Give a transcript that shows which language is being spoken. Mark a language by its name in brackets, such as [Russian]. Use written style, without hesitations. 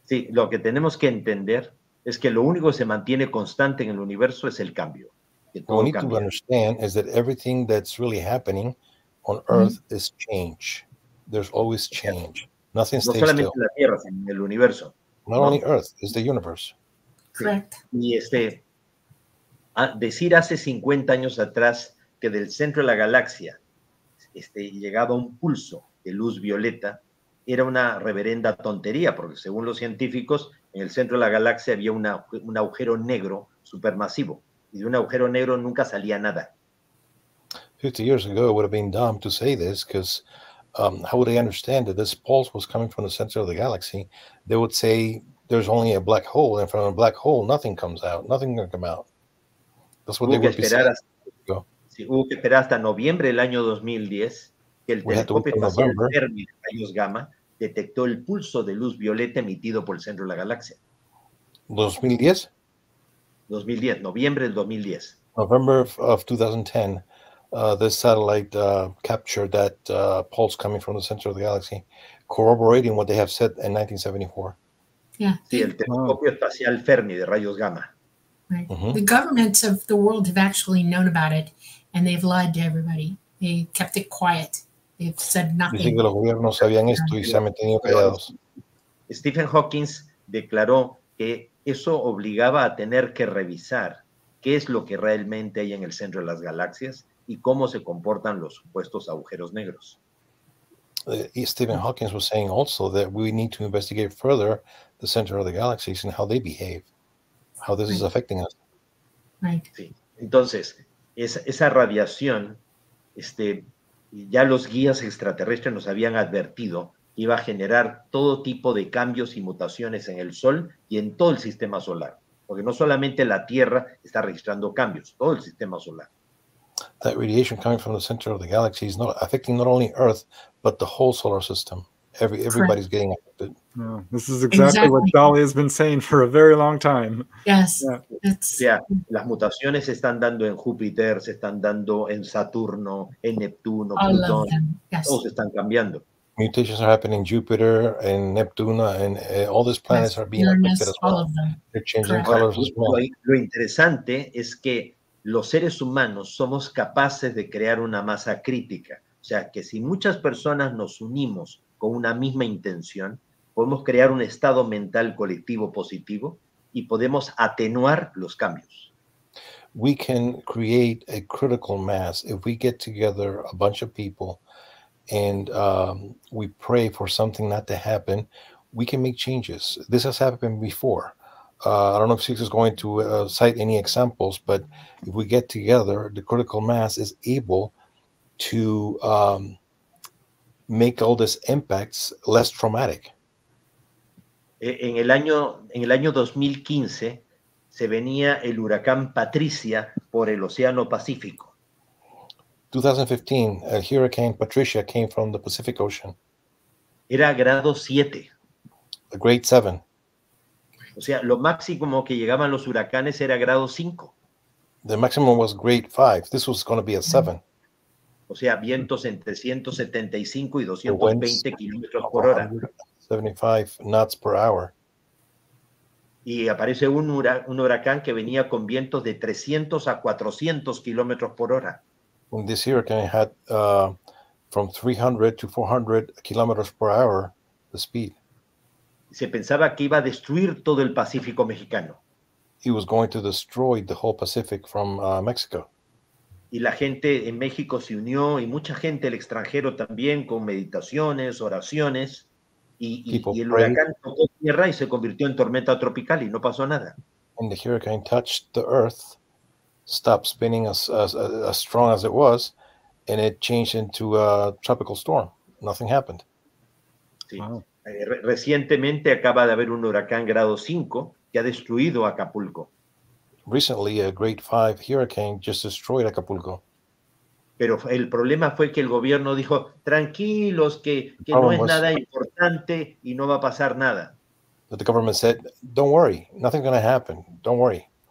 [Spanish] lo que tenemos que entender es que lo único que se mantiene constante en el universo es el cambio. [English] What we need to understand is that everything that's really happening on Earth is change. There's always change. Nothing stays still. [Spanish] No solamente la Tierra, sino el universo. [English] Not only Earth, it's the universe. Correct. [Spanish] Y decir hace 50 años atrás que del centro de la galaxia llegaba un pulso de luz violeta era una reverenda tontería, porque según los científicos, en el centro de la galaxia había un agujero negro supermasivo, y de un agujero negro nunca salía nada. [English] 50 years ago, it would have been dumb to say this, because how would they understand that this pulse was coming from the center of the galaxy? They would say, there's only a black hole, and from a black hole, nothing comes out, nothing can come out. That's what they would be saying. [Spanish] Hubo que esperar hasta noviembre del año 2010, que el telescopio espacial Fermi de rayos gamma detectó el pulso de luz violeta emitido por el centro de la galaxia. [English] November of 2010, this satellite captured that pulse coming from the center of the galaxy, corroborating what they have said in 1974. Yeah. [Spanish] Sí, el telescopio espacial Fermi de rayos gamma. [English] Right. Mm-hmm. The governments of the world have actually known about it, and they've lied to everybody. They kept it quiet. They've said nothing. [Spanish] Stephen Hawking declaró que eso obligaba a tener que revisar qué es lo que realmente hay en el centro de las galaxias y cómo se comportan los supuestos agujeros negros. [English] Stephen Hawking was saying also that we need to investigate further the center of the galaxies and how they behave, how this is affecting us. Right. [Spanish] Sí. Entonces, esa radiación, ya los guías extraterrestres nos habían advertido que iba a generar todo tipo de cambios y mutaciones en el Sol y en todo el sistema solar. Porque no solamente la Tierra está registrando cambios, todo el sistema solar. [English] That radiation coming from the center of the galaxy is not affecting not only Earth, but the whole solar system. Everybody's correct. Getting affected. Yeah, this is exactly what Dolly has been saying for a very long time. Yes. Yeah. [Spanish] Las mutaciones se están dando en Júpiter, se están dando en Saturno, en Neptuno, [English] all [Spanish] Plutón. [English] Yes. [Spanish] Todos están cambiando. [English] Mutations are happening in Jupiter and Neptuno, and all these planets are being affected as well. All of them. They're changing colors as well. [Spanish] Lo interesante es que los seres humanos somos capaces de crear una masa crítica. O sea, que si muchas personas nos unimos con una misma intención, podemos crear un estado mental colectivo positivo y podemos atenuar los cambios. [English] We can create a critical mass if we get together a bunch of people and we pray for something not to happen, we can make changes. This has happened before. I don't know if Six is going to cite any examples, but if we get together, the critical mass is able to make all these impacts less traumatic. [Spanish] En el año 2015, se venía el huracán Patricia por el Océano Pacífico. [English] 2015, a hurricane Patricia came from the Pacific Ocean. [Spanish] Era grado 7. [English] A grade 7. [Spanish] O sea, lo máximo que llegaban los huracanes era grado 5. [English] The maximum was grade 5. This was going to be a 7. [Spanish] O sea, vientos entre 175 y 220 kilómetros por hora. [English] 75 knots per hour. [Spanish] Y aparece un huracán que venía con vientos de 300 a 400 kilómetros por hora. [English] And this hurricane had from 300 to 400 kilómetros per hour the speed. [Spanish] Se pensaba que iba a destruir todo el Pacífico mexicano. [English] He was going to destroy the whole Pacific from Mexico. [Spanish] Y la gente en México se unió, y mucha gente del extranjero también, con meditaciones, oraciones, y el huracán tocó tierra y se convirtió en tormenta tropical y no pasó nada. [English] when the hurricane touched the earth, stopped spinning as strong as it was, and it changed into a tropical storm. Nothing happened. [Spanish] Sí. Wow. Recientemente acaba de haber un huracán grado 5 que ha destruido Acapulco. [English] Recently, a grade 5 hurricane just destroyed Acapulco. [Spanish] Pero el problema fue que el gobierno dijo, tranquilos, que no es nada importante y no va a pasar nada. [English] But the government said, don't worry, nothing's going to happen, don't worry.